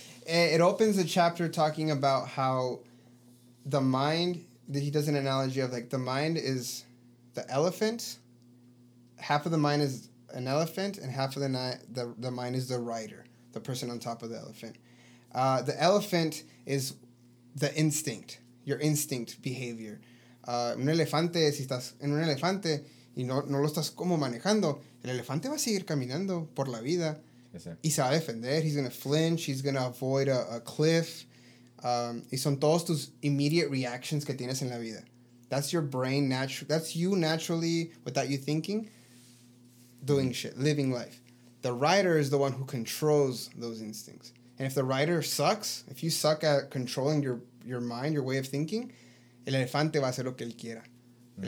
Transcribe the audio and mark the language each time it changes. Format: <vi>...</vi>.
<en>It opens a chapter talking about how the mind, he does an analogy of like the mind is the elephant. Half of the mind is an elephant, and half of the mind is the rider, the person on top of the elephant. The elephant is the instinct, your instinct behavior.</en> <es>Un elefante, si estás en un elefante y no lo estás como manejando, el elefante va a seguir caminando por la vida.</es> <en>Yes, sir.</en> <es>Y se va a defender.</es> <en>He's going to flinch. He's going to avoid a cliff.</en> <es>Y son todos tus</es> <en>immediate reactions</en> <es>que tienes en la vida.</es> <en>That's your brain natural. That's you naturally, without you thinking, doing shit, living life. The rider is the one who controls those instincts. And if the rider sucks, if you suck at controlling your mind, your way of thinking,</en> <es>el elefante va a hacer lo que él quiera.</es> <en>Mm.</en>